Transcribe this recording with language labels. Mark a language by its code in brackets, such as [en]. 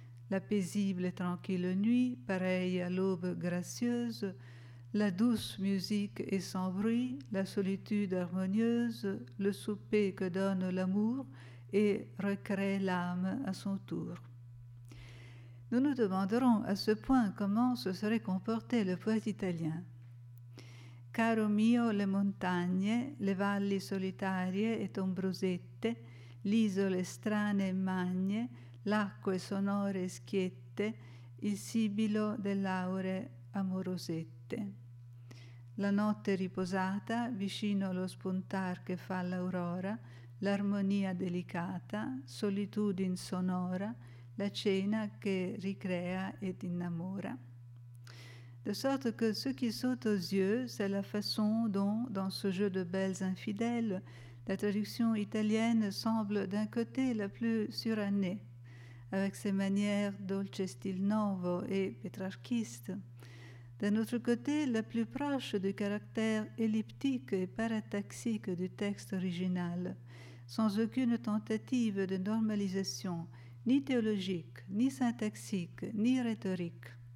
[fr] La paisible et tranquille nuit, pareille à l'aube gracieuse, la douce musique et sans bruit, la solitude harmonieuse, le souper que donne l'amour et recrée l'âme à son tour. Nous nous demanderons à ce point comment se serait comporté le poète italien. [it] Caro mio, le montagne, le valli solitarie et ombrosette, l'isole strane e magne, l'acque sonore e schiette, il sibilo dell'aure amorosette. La notte riposata, vicino allo spuntar che fa l'aurora, l'armonia delicata, solitudine sonora, la cena che ricrea ed innamora. [fr] De sorte que ce qui saute aux yeux, c'est la façon dont, dans ce jeu de belles infidèles, la traduction italienne semble d'un côté la plus surannée, avec ses manières dolce stil novo et pétrarchiste, d'un autre côté la plus proche du caractère elliptique et parataxique du texte original, sans aucune tentative de normalisation, ni théologique, ni syntaxique, ni rhétorique,